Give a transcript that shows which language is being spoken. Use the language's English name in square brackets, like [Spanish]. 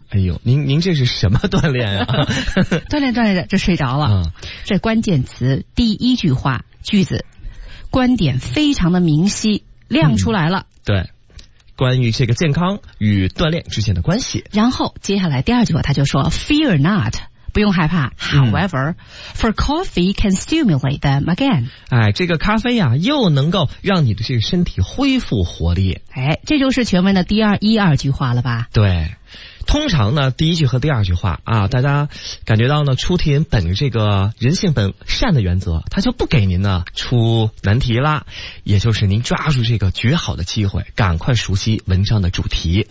[Chinese] 哎呦，您这是什么锻炼啊？锻炼着就睡着了。嗯，这关键词第一句话句子，观点非常的明晰，亮出来了。嗯，对，关于这个健康与锻炼之间的关系。然后接下来第二句话，他就说 ， [English] Fear not。 [Chinese] 不用害怕 [English] ，However,、嗯、for coffee can stimulate them again. [Chinese] 哎，这个咖啡呀、啊，又能够让你的这个身体恢复活力。哎，这就是全文的第二句话了吧？对，通常呢，第一句和第二句话啊，大家感觉到呢，出题人本着这个人性本善的原则，他就不给您呢出难题啦，也就是您抓住这个绝好的机会，赶快熟悉文章的主题。